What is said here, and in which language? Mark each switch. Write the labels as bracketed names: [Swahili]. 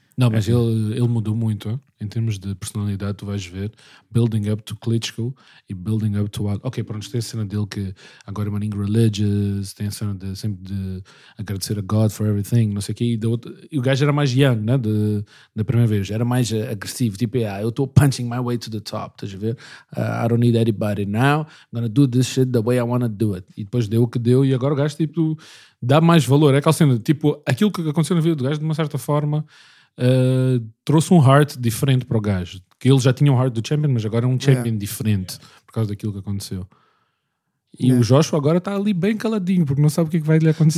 [Portuguese] Não, mas ele mudou muito, hein? em termos de personalidade, tu vais ver [English] building up to [Portuguese] Klitschko e building up to... Ok, pronto, tem a cena dele que agora é uma língua religious, tem a cena de sempre de agradecer a [English] God for everything, [Portuguese] não sei o quê. E o gajo era mais young, né, da primeira vez. Era mais agressivo, tipo, yeah, eu estou [English] punching my way to the top, [Portuguese] estás a ver? [English] I don't need anybody now, I'm gonna do this shit the way I wanna do it. [Portuguese] E depois deu o que deu e agora o gajo, tipo, dá mais valor. É aquela cena, tipo, aquilo que aconteceu na vida do gajo, de uma certa forma... trouxe um heart diferente para o gajo, que ele já tinha um heart do champion, mas agora é um champion diferente por causa daquilo que aconteceu. E o Joshua agora está ali bem caladinho porque não sabe o que, é que vai lhe acontecer.